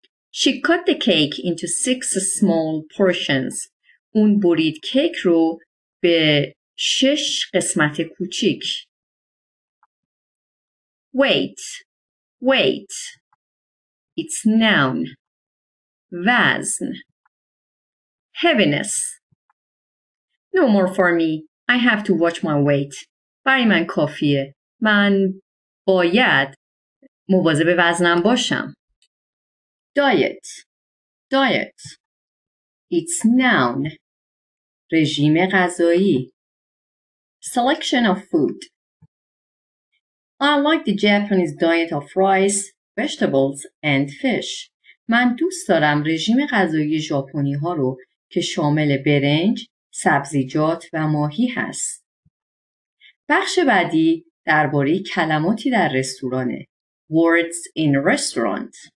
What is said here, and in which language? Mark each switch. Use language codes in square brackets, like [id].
[en] She cut the cake into six small portions. [fa] اون برید کیک رو به شش قسمت کوچیک. [en] Wait. Wait. It's noun. [fa] وزن. [en] Heaviness. No more for me. I have to watch my weight. [fa] برای من کافیه. من باید مواظب وزنم باشم. [en] Diet. Diet. It's noun. [fa] رژیم غذایی. [en] Selection of food. I like the Japanese diet of rice, vegetables, and fish. [fa] من دوست دارم رژیم غذایی ژاپنی ها رو که شامل برنج، سبزیجات و ماهی هست. بخش بعدی درباره کلماتی در رستورانه. [en] Words in restaurant.